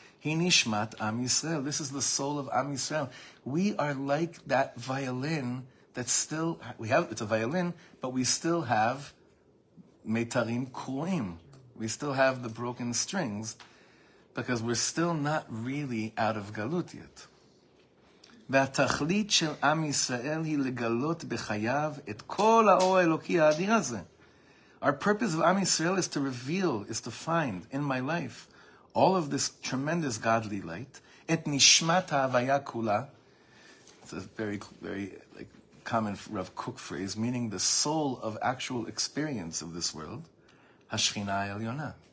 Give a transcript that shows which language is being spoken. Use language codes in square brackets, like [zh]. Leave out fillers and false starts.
[en] Hinishmat Am Yisrael, this is the soul of Am Yisrael. We are like that violin that still, we have, it's a violin, but we still have [he] metarim kruim. [en] We still have the broken strings, because we're still not really out of galut yet. [he] והתכלית של עם ישראל היא לגלות בחייו את כל האור האלוקי האדיר הזה. [en] Our purpose of עם ישראל is to reveal, is to find in my life all of this tremendous godly light, [he] את נשמת ההוויה כולה. [en] It's a very, very like common Rav Kook phrase, meaning the soul of actual experience of this world, [he] השכינה העליונה.